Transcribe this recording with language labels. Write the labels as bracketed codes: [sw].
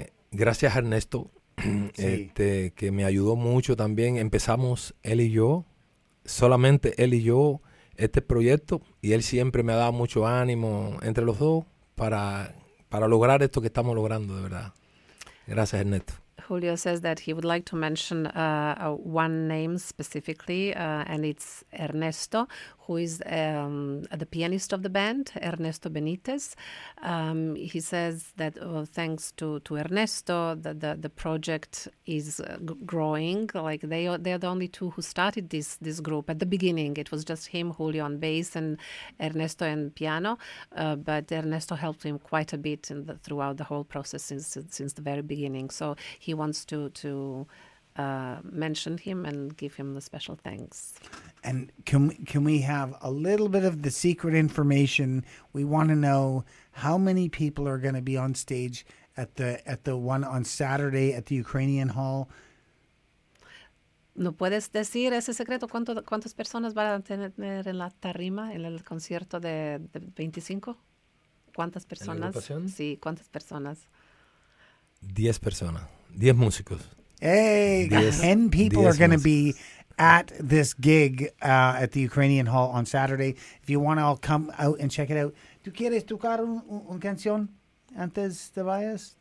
[es] Gracias a Ernesto, que me ayudó mucho también. Empezamos él y yo, solamente él y yo, este proyecto, y él siempre me ha dado mucho ánimo entre los dos para lograr esto que estamos logrando, de verdad. Gracias, Ernesto. [en] Julio says that he would like to mention one name specifically, and it's Ernesto, who is the pianist of the band, Ernesto Benitez. He says that thanks to Ernesto, the project is growing. Like they are the only two who started this group at the beginning. It was just him, Julio, on bass, and Ernesto on piano. But Ernesto helped him quite a bit throughout the whole process since the very beginning. So he wants to mention him and give him the special thanks. And can we have a little bit of the secret information? We want to know how many people are going to be on stage at the one on Saturday at the Ukrainian Hall. [es] ¿No puedes decir ese secreto? ¿Cuántas personas van a tener en la tarima en el concierto de 25? ¿Cuántas personas? Sí, ¿cuántas personas? 10 personas. 10 músicos. [en] Hey, 10 people are going to be at this gig at the Ukrainian Hall on Saturday. If you want to all come out and check it out. [es] ¿Tú quieres tocar un canción antes de vayas?